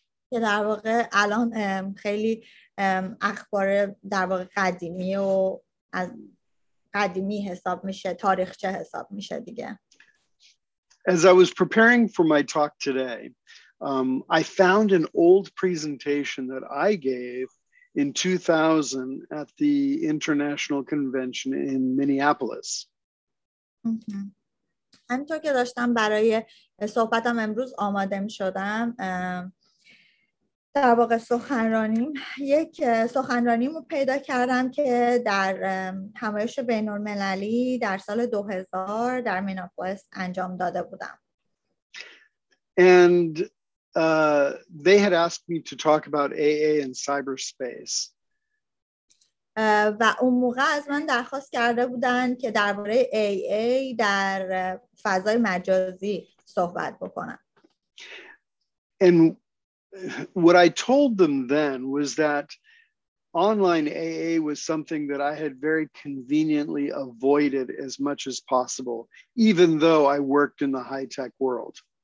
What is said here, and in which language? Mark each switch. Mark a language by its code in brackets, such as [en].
[fa] که در واقع الان خیلی اخبار در واقع قدیمی و از قدیمی حساب میشه، تاریخچه حساب میشه دیگه. [en] As I was preparing for my talk today, I found an old presentation that I gave in 2000 at the International Convention in Minneapolis. [fa] همینطور که داشتم برای صحبتم امروز آماده می‌شدم، در واقع سخنرانیم، یک سخنرانیمو پیدا کردم که در همایش بین‌المللی در سال 2000 در مینئاپولیس انجام داده بودم. [en] And they had asked me to talk about AA and cyberspace. [fa] و اون موقع از من درخواست کرده بودن که درباره AA در فضای مجازی صحبت بکنم. [en] And what I told them then was that online AA was something that I had very conveniently avoided as much as possible, even though I worked in the high-tech world.